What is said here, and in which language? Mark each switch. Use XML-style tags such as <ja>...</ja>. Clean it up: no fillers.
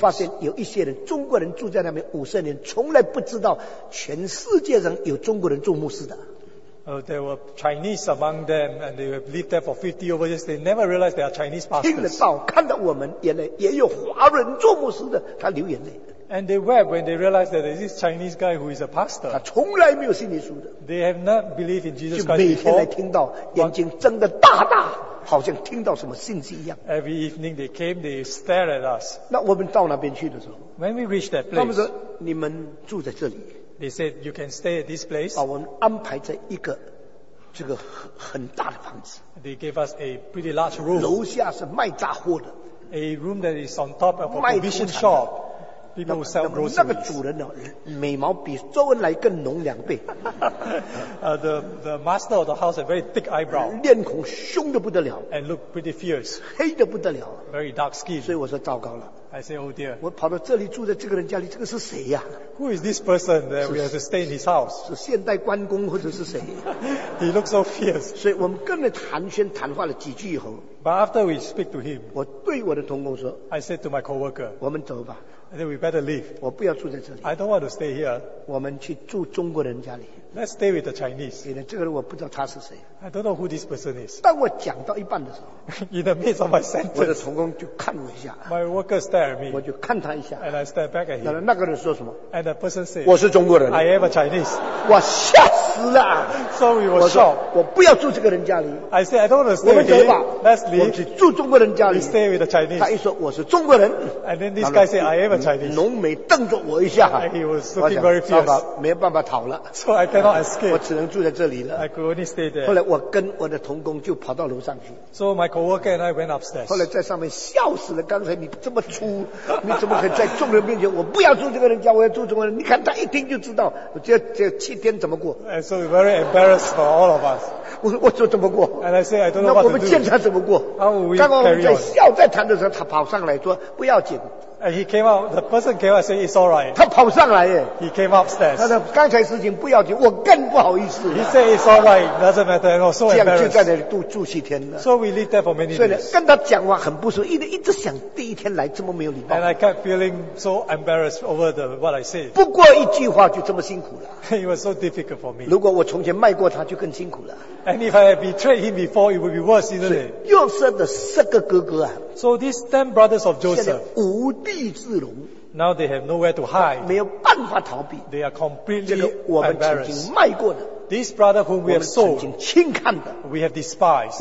<zh>发现有一些人，中国人住在那边50年，从来不知道全世界上有中国人做牧师的。</zh> <en>There were Chinese among them, and they have lived there for 50 over years. They never realized they are Chinese pastors.</en> <zh>听得到，看到我们眼泪，也有华人做牧师的，他流眼泪。</zh> <en>And they wept when they realized that there is this Chinese guy who is a pastor.</en> <zh>他从来没有信耶稣的。</zh> <en>They have not believed in Jesus Christ</en> <zh>就每天来听到，眼睛睁得大大，好像听到什么信息一样。</zh> <en>Every evening they came, they stared at us.</en> <zh>那我们到那边去的时候</zh> <en>，When we reached that place,</en> <zh>他们说你们住在这里。</zh> <en>They said you can stay at this place.</en> <zh>把我们安排在一个这个很大的房子。</zh> <en>They gave us a pretty large room.</en> <zh>楼下是卖杂货的。</zh> <en>A room that is on top of a provision shop. people who sell groceries.</en> <zh>那个主人呢，眉毛比周恩来更浓两倍。</zh> <en>The master of the house had very thick eyebrow.</en> <zh>脸孔凶得不得了。</zh> <en>And looked pretty fierce.</en> <zh>黑得不得了。</zh> <en>Very dark skin.</en> <zh>所以我说糟糕了。</zh> <en>I say, oh dear.</en> <zh>我跑到这里住在这个人家里，这个是谁呀？</zh> <en>Who is this person that we have to stay in his house?</en> <zh>是现代关公或者是谁？</zh> <en>He looked so fierce.</en> <zh>所以我们跟着寒暄谈话了几句以后。</zh> <en>But after we speak to him,</en> <zh>我对我的同工说,</zh> <en>I said to my co-worker,</en> <zh>我们走吧。</zh> <en>I said, we better leave.</en> <zh>我不要住在这里。</zh> <en>I don't want to stay here.</en> <zh>我们去住中国人家里。</zh> <en>Let's stay with the Chinese.</en> <zh>这个人我不知道他是谁。</zh> <en>I don't know who this person is.</en> <zh>当我讲到一半的时候,</zh> <en>in the midst of my sentence,</en> <zh>我的同工就看我一下。</zh> <en>My worker stared at me.</en> <zh>我就看他一下。</zh> <en>And I stared back at him.</en> <zh>那个人说什么?</zh> <en>And the person said,</en> <zh>我是中国人。</zh> <en>I am a Chinese.</en> <zh>我吓死了。</zh> <en>So we were shocked.</en> <zh>我不要住这个人家里。</zh> <en>I said, I don't want to stay here.</en> <zh>我们走吧。</zh> <en>Let's leave.</en> <zh>我只住中国人家里。</zh> <en>We stay with the Chinese.</en> <zh>他一说我是中国人。</zh> <en>And then this guy said, I am a Chinese.</en> <zh>浓眉瞪着我一下。</zh> <en>And he was looking very fierce.</en> <zh>没办法逃了。</zh> <en>So I cannot escape.</en> <zh>我只能住在这里了。</zh> <en>I could only stay there.</en> <zh>后来我跟我的同工就跑到楼上去。</zh> <en>So my co-worker and I went upstairs.</en> <zh>后来在上面笑死了, 刚才你这么粗, 你怎么可以在众人面前, 我不要住这个人家, 我要住中国人, 你看他一听就知道, 这七天怎么过。</zh> <en>And so we're very embarrassed for all of us.</en> <zh>我说怎么过?</zh> <en>And I say, I don't know what to do.</en> <zh>那我们见他怎么过?</zh> <en>How will we carry on?</en> <zh>刚刚我们在笑, 在谈的时候, 他跑上来说, 不要紧。</zh> <en>And he came out, the person came out and said, it's alright.</en> <zh>他跑上来耶。</zh> <en>He came upstairs.</en> <zh>他说刚才事情不要紧, 我更不好意思。</zh> <en>He said, it's alright, doesn't matter, and also embarrassed.</en> <zh>这样就在那里住七天了。</zh> <en>So we lived there for many days.</en> <zh>所以跟他讲话很不舒服，一直想第一天来这么没有礼貌。</zh> <en>And I kept feeling so embarrassed over the, what I said.</en> <zh>不过一句话就这么辛苦了。</zh> <en>It was so difficult for me.</en> <zh>如果我从前卖过他就更辛苦了。</zh> <en>And if I had betrayed him before, it would be worse, isn't it?</en> <zh>约瑟的四个哥哥啊。</zh> <en>So these 10 brothers of Joseph,</en> <zh>现在无地自容,</zh> <en>now they have nowhere to hide.</en> <zh>没有办法逃避,</zh> <en>they are completely embarrassed. This brother whom we have sold, we have despised.</en>